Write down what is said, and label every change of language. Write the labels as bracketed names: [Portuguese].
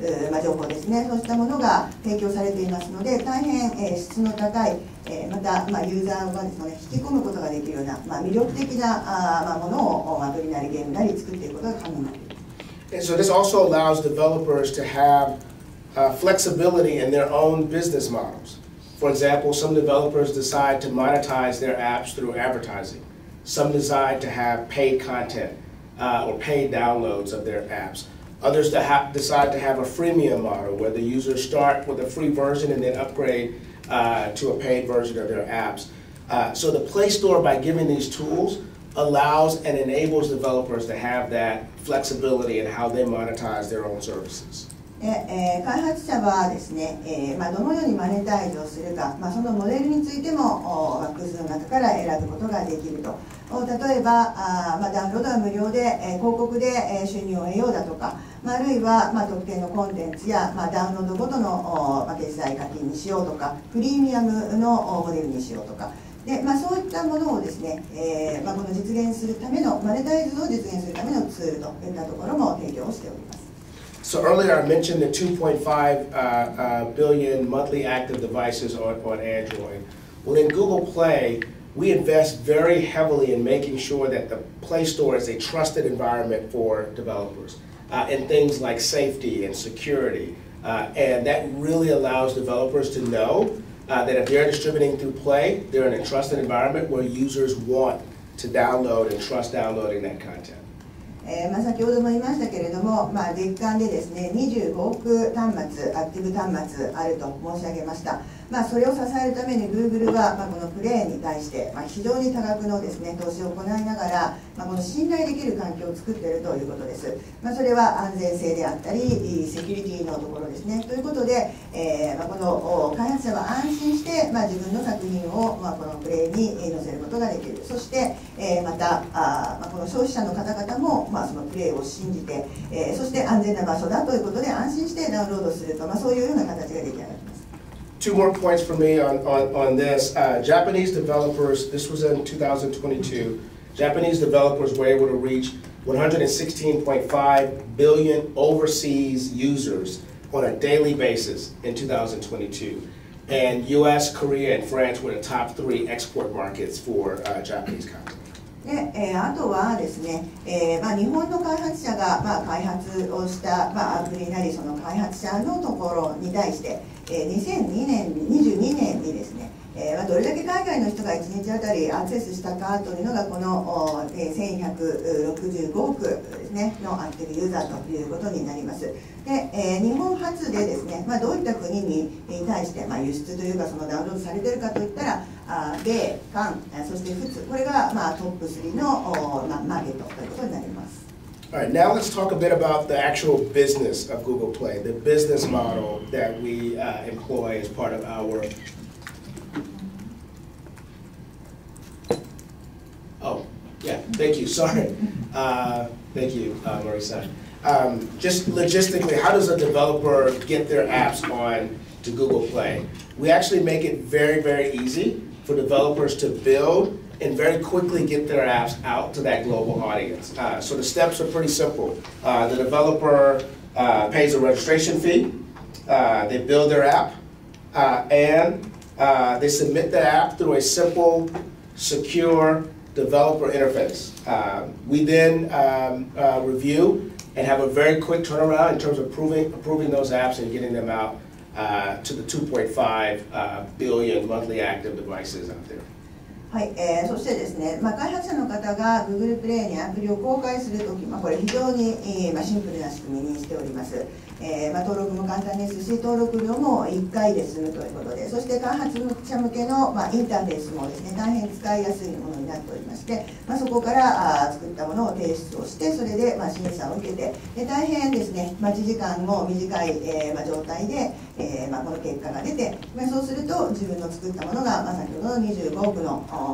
[Japanese] まあ、情報ですね、そうしたものが提供されていますので、大変、質の高い、また、まあ、ユーザーがですね、引き込むことができるような、まあ、魅力的な、まあ、ものを、まあ、アプリなりゲームなり作っていくことが可能になります。 [English] And so this also allows developers to haveflexibility in their own business models. For example, some developers decide to monetize their apps through advertising. Some decide to have paid content or paid downloads of their apps. Others decide to have a freemium model where the users start with a free version and then upgrade to a paid version of their apps. So the Play Store, by giving these tools, allows and enables developers to have that flexibility in how they monetize their own services. [Japanese] 開発者はですね、どのようにマネタイズをするか、そのモデルについても複数の中から選ぶことができると。例えばダウンロードは無料で、広告で収入を得ようだとか、あるいは、特定のコンテンツや、ダウンロードごとの決済課金にしようとか、プレミアムのモデルにしようとか、で、そういったものをですね、この実現するためのマネタイズを実現するためのツールといったところも提供しております。 [English] So earlier I mentioned the 2.5 billion monthly active devices on Android. Well, in Google Play, we invest very heavily in making sure that the Play Store is a trusted environment for developers and things like safety and security. And that really allows developers to know that if they're distributing through Play, they're in a trusted environment where users want to download and trust downloading that content. [Japanese] 先ほども言いましたけれども、月間でですね、25億端末、アクティブ端末あると申し上げました。それを支えるために Google は、このプレイに対して、非常に多額のですね、投資を行いながら、この信頼できる環境を作っているということです。それは安全性であったりセキュリティのところですね。ということで、この開発者は安心して、自分の作品を、このプレイに載せることができる。そして、またこの消費者の方々も、そのプレイを信じて、そして安全な場所だということで安心してダウンロードすると、そういうような形が出来上がります。 [English] Two more points for me on this. Japanese developers, this was in 2022, Japanese developers were able to reach 116.5 billion overseas users on a daily basis in 2022. And US, Korea, and France were the top three export markets for Japanese content. [Japanese] あとはですね、日本の開発者が、開発をした、アプリなりその開発者のところに対して、2022年にですね、どれだけ海外の人が1日あたりアクセスしたかというのがこの、1165億です、ね、のアクティブユーザーということになります。で、日本発でですね、どういった国に対して、輸出というかそのダウンロードされているかといったら米、韓、そして仏、これが、トップ3のマーケットということになります。 [English] All right, now let's talk a bit about the actual business of Google Play, the business model that we employ as part of ourOh, yeah, thank you, sorry. Thank you, Marisa. Just logistically, how does a developer get their apps on to Google Play? We actually make it very, very easy for developers to build and very quickly get their apps out to that global audience. So the steps are pretty simple. The developer pays a registration fee, they build their app, and they submit the app through a simple, secure,developer interface. We then review and have a very quick turnaround in terms of approving those apps and getting them out to the 2.5 billion monthly active devices out there. [Japanese] はい、そしてですね、開発者の方が Google Play にアプリを公開するとき、これ非常に、シンプルな仕組みにしております。登録も簡単ですし、登録料も1回で済むということで、そして開発者向けの、インターフェースもですね、大変使いやすいものになっておりまして、そこから作ったものを提出をして、それで、審査を受けて、で大変ですね、待ち時間も短い、状態で、この結果が出て、そうすると自分の作ったものが、先ほどの25億の